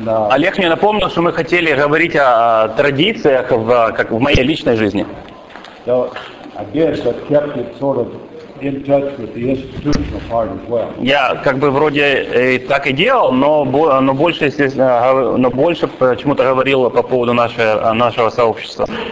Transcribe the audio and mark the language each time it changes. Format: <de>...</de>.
<ru>Олег мне напомнил, что мы хотели говорить о традициях в, как в моей личной жизни.</ru> <en>So, I guess I kept it sort of in touch with the institutional part as well.</en> <ru>Я как бы вроде так и делал, но больше почему-то говорил по поводу нашего сообщества.</ru>